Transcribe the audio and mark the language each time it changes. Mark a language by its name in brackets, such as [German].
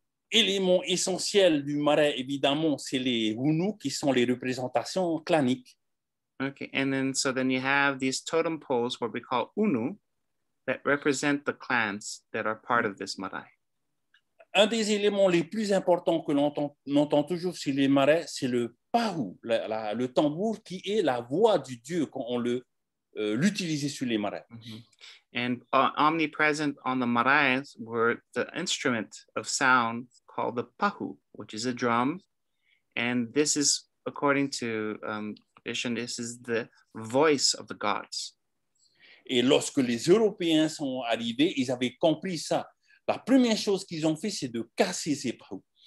[French] Élément essentiel du marais, évidemment, c'est les hounous qui sont les représentations claniques. [English] Okay, and then so then you have these totem poles, what we call unu, that represent the clans that are part of this marae. [French] Un des éléments les plus importants que l'on entend toujours sur les marais, c'est le pahu, le tambour qui est la voix du dieu quand on l'utilise sur les marais. Mm-hmm. [English] And omnipresent on the marais were the instrument of sound called the pahu, which is a drum. And this is, according to tradition, this is the voice of the gods. [French] Et lorsque les Européens sont arrivés, ils avaient compris ça. La première chose qu'ils ont fait, c'est de casser ces pahus.